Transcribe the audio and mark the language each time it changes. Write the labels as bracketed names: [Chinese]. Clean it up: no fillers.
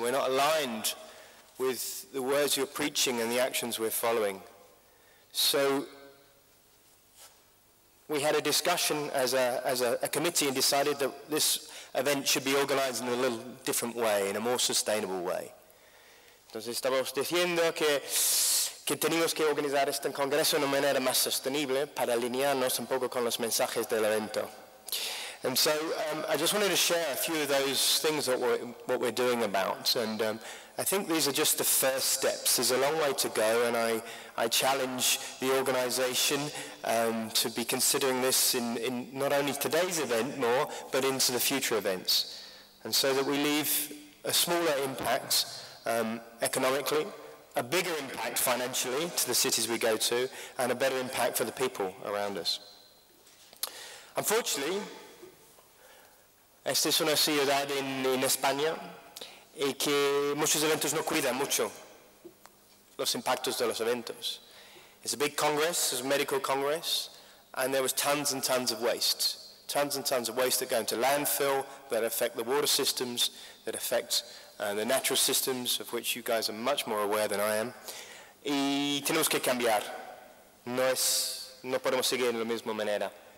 [English] We're not aligned with the words you're preaching and the actions we're following. So, we had a discussion as a committee and decided that this event should be organized in a little different way, in a more sustainable way. [Spanish] Entonces estamos diciendo que tenemos que organizar este congreso de una manera más sostenible para alinearnos un poco con los mensajes del evento. [English] And so I just wanted to share a few of those things that what we're doing about. And I think these are just the first steps. There's a long way to go, and I challenge the organization to be considering this in not only today's event more, but into the future events. And so that we leave a smaller impact economically, a bigger impact financially to the cities we go to, and a better impact for the people around us. Unfortunately, [Spanish] esta es una ciudad en España y que muchos eventos no cuidan mucho los impactos de los eventos. [English] It's a big congress, it's a medical congress, and there was tons and tons of waste. Tons and tons of waste that go into landfill, that affect the water systems, that affect the natural systems, of which you guys are much more aware than I am. [Spanish] Y tenemos que cambiar. No podemos seguir de la misma manera.